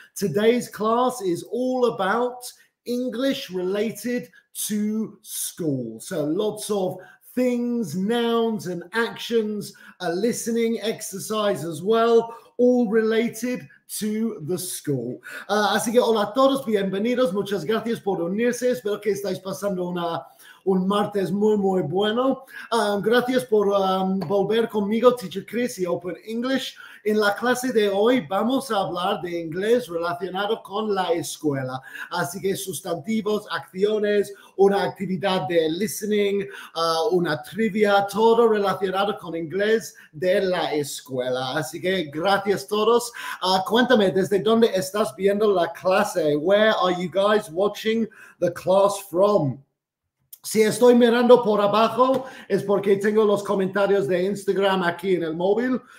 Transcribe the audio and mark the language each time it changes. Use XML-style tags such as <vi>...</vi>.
<en>Today's class is all about English related to school. So lots of things, nouns and actions, a listening exercise as well, all related to the school.</en> <es>Así que hola a todos, bienvenidos, muchas gracias por unirse. Espero que estáis pasando un martes muy, muy bueno. Gracias por volver conmigo, Teacher Chris y Open English. En la clase de hoy vamos a hablar de inglés relacionado con la escuela. Así que sustantivos, acciones, una actividad de listening, una trivia, todo relacionado con inglés de la escuela. Así que gracias todos. Cuéntame, ¿desde dónde estás viendo la clase?</es> <en>Where are you guys watching the class from?</en> <es>Si estoy mirando por abajo, es porque tengo los comentarios de Instagram aquí en el móvil.</es>